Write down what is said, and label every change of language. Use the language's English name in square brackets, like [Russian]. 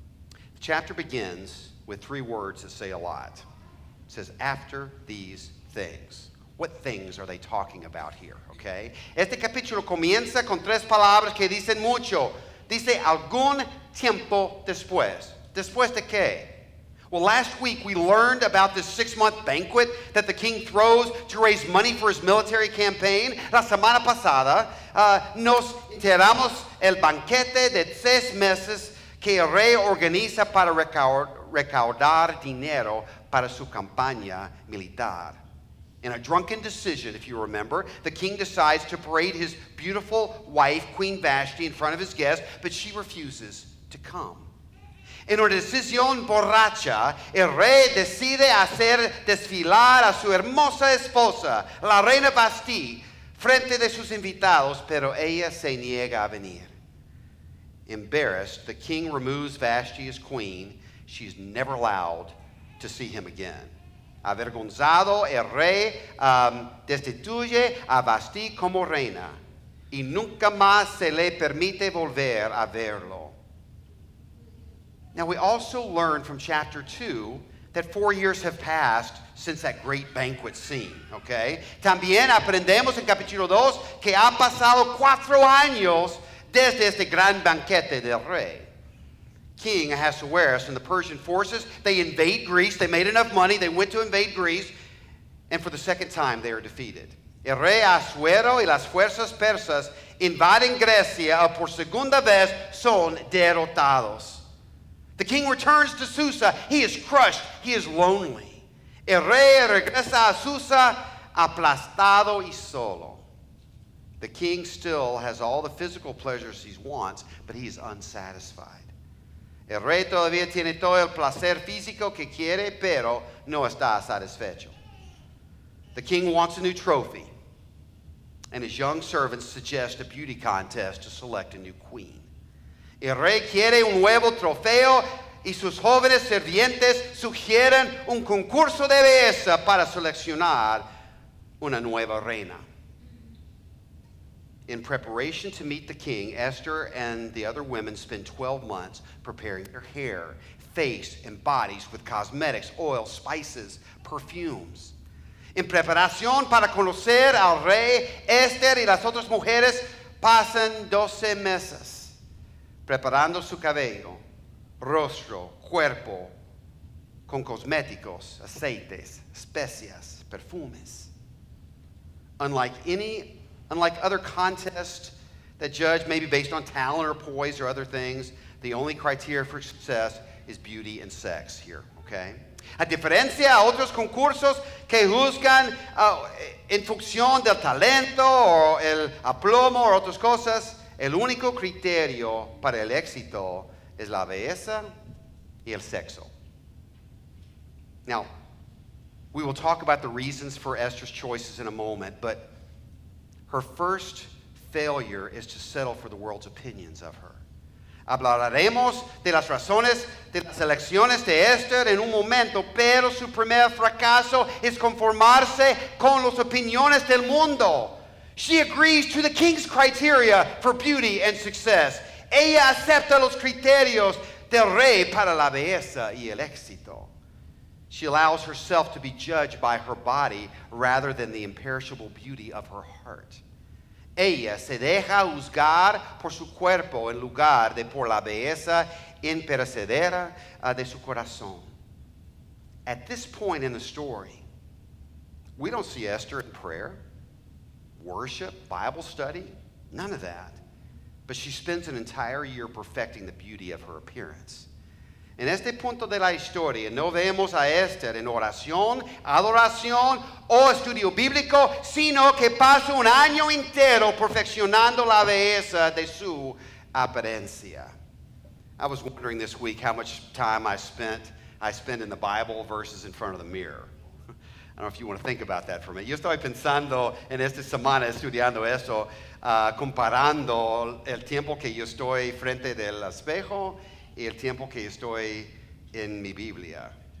[English] The chapter begins with three words that say a lot. It says, after these things. What things are they talking about here, okay? [Spanish] Este capítulo comienza con tres palabras que dicen mucho. Dice, algún tiempo después. ¿Después de qué? [English] Well, last week we learned about this six-month banquet that the king throws to raise money for his military campaign. [Spanish] La semana pasada nos enteramos el banquete de seis meses que el rey organiza para recaudar dinero para su campaña militar. [English] In a drunken decision, if you remember, the king decides to parade his beautiful wife, Queen Vashti, in front of his guests, but she refuses to come. [Spanish] En una decisión borracha, el rey decide hacer desfilar a su hermosa esposa, la reina Vashti, frente de sus invitados, pero ella se niega a venir. [English] Embarrassed, the king removes Vashti as queen. She's never allowed to see him again. [Spanish] Avergonzado, el rey destituye a Vashti como reina y nunca más se le permite volver a verlo. [English] Now we also learn from chapter 2 that 4 years have passed since that great banquet scene, okay? [Spanish] También aprendemos en capítulo 2 que ha pasado 4 años desde este gran banquete del rey. [English] King Ahasuerus and the Persian forces, they invade Greece. They made enough money. They went to invade Greece. And for the second time, they are defeated. [Spanish] El rey Ahasuero y las fuerzas persas invaden Grecia por segunda vez son derrotados. [English] The king returns to Susa. He is crushed. He is lonely. [Spanish] El rey regresa a Susa aplastado y solo. [English] The king still has all the physical pleasures he wants, but he is unsatisfied. [Spanish] El rey todavía tiene todo el placer físico que quiere, pero no está satisfecho. [English] The king wants a new trophy, and his young servants suggest a beauty contest to select a new queen. [Spanish] El rey quiere un nuevo trofeo, y sus jóvenes sirvientes sugieren un concurso de belleza para seleccionar una nueva reina. [English] In preparation to meet the king, Esther and the other women spend 12 months preparing their hair, face, and bodies with cosmetics, oil, spices, perfumes. [Spanish] In preparación para conocer al rey, Esther y las otras mujeres pasan 12 meses preparando su cabello, rostro, cuerpo, con cosméticos, aceites, especias, perfumes. [English] Unlike other contests that judge maybe based on talent or poise or other things, the only criteria for success is beauty and sex here, okay? [Spanish] A diferencia a otros concursos que juzgan en función del talento o el aplomo o otras cosas, el único criterio para el éxito es la belleza y el sexo. [English] Now, we will talk about the reasons for Esther's choices in a moment, but her first failure is to settle for the world's opinions of her. [Spanish] Hablaremos de las razones de las elecciones de Esther en un momento, pero su primer fracaso es conformarse con las opiniones del mundo. [English] She agrees to the king's criteria for beauty and success. [Spanish] Ella acepta los criterios del rey para la belleza y el éxito. [English] She allows herself to be judged by her body rather than the imperishable beauty of her heart. [Spanish] Ella se deja juzgar por su cuerpo en lugar de por la belleza imperecedera de su corazón. [English] At this point in the story, we don't see Esther in prayer, worship, Bible study, none of that. But she spends an entire year perfecting the beauty of her appearance. [Spanish] En este punto de la historia, no vemos a Esther en oración, adoración o estudio bíblico, sino que pasa un año entero perfeccionando la belleza de su apariencia. [English] I was wondering this week how much time I spent in the Bible versus in front of the mirror. I don't know if you want to think about that for a minute. [Spanish] Yo estoy pensando en esta semana estudiando eso, comparando el tiempo que yo estoy frente del espejo y el tiempo que estoy en mi Biblia.